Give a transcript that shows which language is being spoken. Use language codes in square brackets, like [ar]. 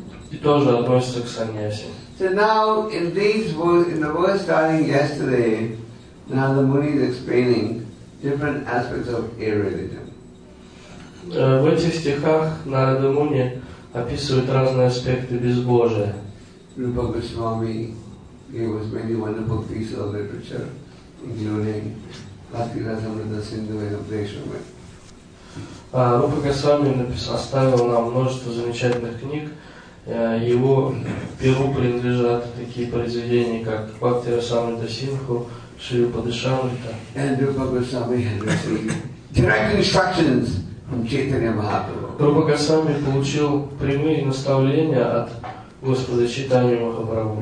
[ru] И тоже относится к саньяси. [en] So now, in these words, in the verse starting yesterday, now the Muni is explaining different aspects of irreligion. [ru] В этих стихах Нарада Муни описывает разные аспекты безбожия. [en] Rupa Goswami gave us many wonderful pieces of literature, including Bhakti Rasamrita Sindhu and Upadeshamrita. [ru] Rupa Goswami оставил нам множество замечательных книг. Его перу принадлежат такие произведения, как Бхакти Расамрита Синху, Шри Упадешамрита. [en] And Rupa Goswami had received direct instructions from Chaitanya Mahaprabhu. [ru] Rupa Goswami получил прямые наставления от Господа Чайтаньи Махапрабху.